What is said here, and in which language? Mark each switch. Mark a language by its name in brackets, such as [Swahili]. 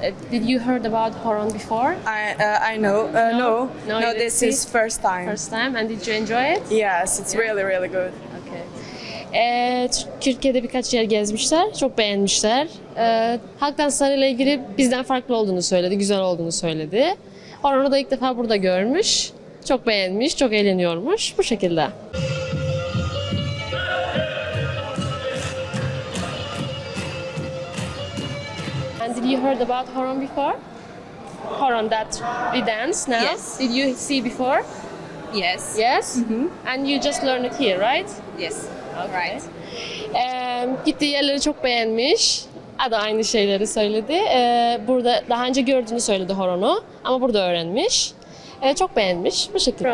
[English] Did you heard about horon before? No, this see? Is first time. First time, and did you enjoy it? Yes, it's yeah. Really, really good. Okay. [Turkish] Türkiye'de birkaç yer gezmişler, çok beğenmişler. Halk danslarıyla ilgili bizden farklı olduğunu söyledi, güzel olduğunu söyledi. Horonu da ilk defa burada görmüş, çok beğenmiş, çok eğleniyormuş bu şekilde. [English] Did you heard about horon before? Horon that we dance now? Yes. Did you see before? Yes. Yes? Mm-hmm. And you just learned it here, right? Yes. Okay. Right. [Turkish] Gittiği yerleri çok beğenmiş. Adı aynı şeyleri söyledi. Burada daha önce gördüğünü söyledi horonu. Ama burada öğrenmiş. Çok beğenmiş bu şekilde.